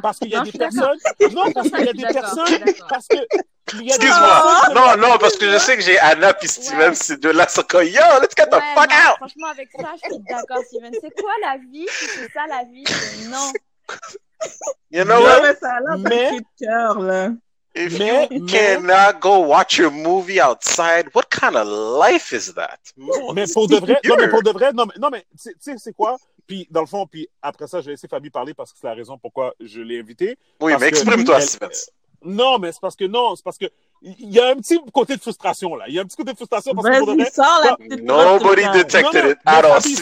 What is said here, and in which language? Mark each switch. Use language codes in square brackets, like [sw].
[fr] Parce qu'il y a des personnes... Non, parce qu'il y a des personnes... Parce que... Excuse-moi. Non, non, parce que je sais que j'ai Anna et Steven, ouais. ces deux-là sont comme « [en] Yo, let's get the fuck out! » [fr] Franchement, avec ça, je suis d'accord, Steven. C'est quoi la vie? C'est ça la vie? Non. [en] You know what? [fr] Mais ça a l'air d'un cri de cœur, là. [en] If you cannot go watch a movie outside, what kind of life is that? [fr] Mais pour de vrai, non, mais pour de vrai, non, mais tu sais, c'est quoi? Puis, dans le fond, puis après ça, je vais laisser Fabie parler parce que c'est la raison pourquoi je l'ai invité. Oui, mais exprime-toi, Steven. Non, mais c'est parce que non, c'est parce que il y a un petit côté de frustration là. Il y a un petit côté de frustration parce que pour de vrai, la [en] nobody detected it at all.